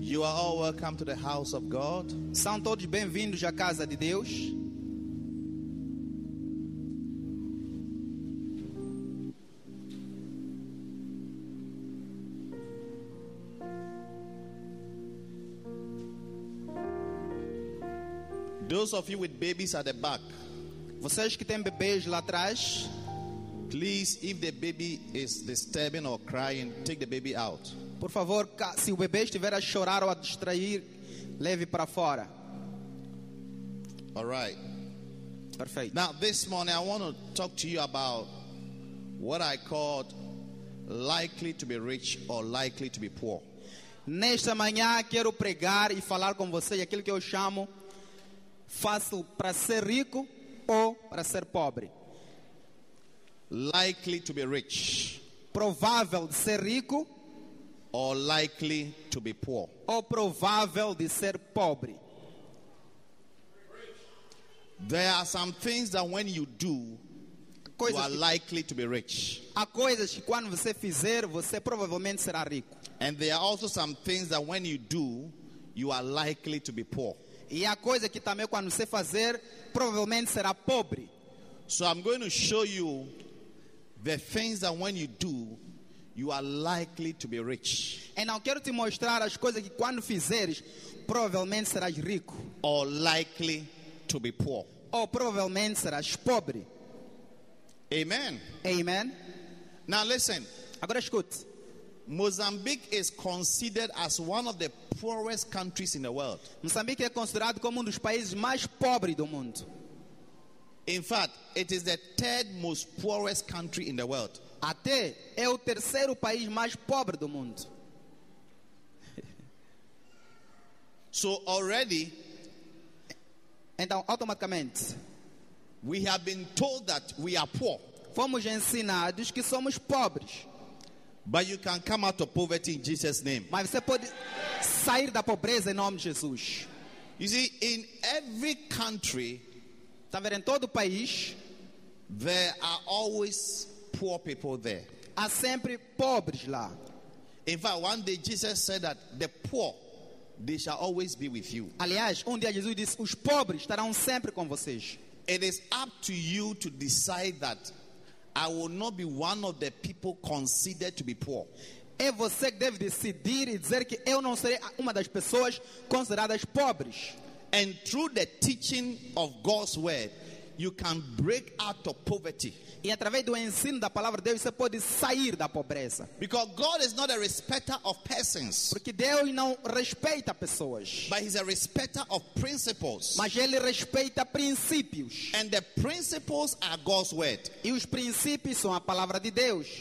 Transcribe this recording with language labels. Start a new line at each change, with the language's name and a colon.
English: You are all welcome to the house of God.
Portuguese: São todos bem-vindos à casa de Deus.
English: Those of you with babies at the back,
Portuguese: Vocês que têm bebês lá atrás,
English: please, if the baby is disturbing or crying, take the baby out.
Portuguese: Por favor, se o bebê estiver a chorar ou a distrair, leve para fora.
English: All right.
Portuguese: Perfeito.
English: Now, this morning, I want to talk to you about what I called likely to be rich or likely to be poor.
Portuguese: Nesta manhã, quero pregar e falar com vocês aquilo que eu chamo fácil para ser rico ou para ser pobre.
English: Likely to be rich.
Portuguese: Provável de ser rico.
English: Or likely to be poor.
Portuguese: Ou provável de ser pobre.
English: There are some things that when you do,
Portuguese: coisas
English: you are likely to be rich.
Portuguese: Há coisas que quando você fizer, você provavelmente será rico.
English: And there are also some things that when you do, you are likely to be poor.
Portuguese: E há coisas que também quando você fazer, provavelmente será pobre.
English: So I'm going to show you the things that when you do, you are likely to be rich.
Portuguese: E não quero te mostrar as coisas que quando fizeres, provavelmente serás rico.
English: Or likely to be poor.
Portuguese: Ou provavelmente serás pobre.
English: Amen.
Portuguese: Amen.
English: Now listen.
Portuguese: Agora escute.
English: Mozambique is considered as one of the poorest countries in the world.
Portuguese: Moçambique é considerado como um dos países mais pobres do mundo.
English: In fact, it is the third most poorest country in the world.
Portuguese: Até é o terceiro país mais pobre do mundo.
English: So already,
Portuguese: então automaticamente,
English: we have been told that we are poor.
Portuguese: Fomos ensinados que somos pobres.
English: But you can come out of poverty in Jesus' name.
Portuguese: Mas você pode sair da pobreza em nome de Jesus.
English: You see, in every country,
Portuguese: tá vendo, em todo o país,
English: there are always poor people there.
Portuguese: Há sempre pobres lá.
English: In fact, one day Jesus said that the poor, they shall always be with you.
Portuguese: Aliás, um dia Jesus disse, os pobres estarão sempre com vocês.
English: It is up to you to decide that I will not be one of the people considered to be poor.
Portuguese: É você que deve decidir e dizer que eu não serei uma das pessoas consideradas pobres.
English: And through the teaching of God's word, you can break out of poverty.
Portuguese: E através do ensino da palavra de Deus, você pode sair da pobreza.
English: Because God is not a respecter of persons.
Portuguese: Porque Deus não respeita pessoas.
English: But he's a respecter of principles.
Portuguese: Mas ele respeita princípios.
English: And the principles are God's word.
Portuguese: E os princípios são a palavra de Deus.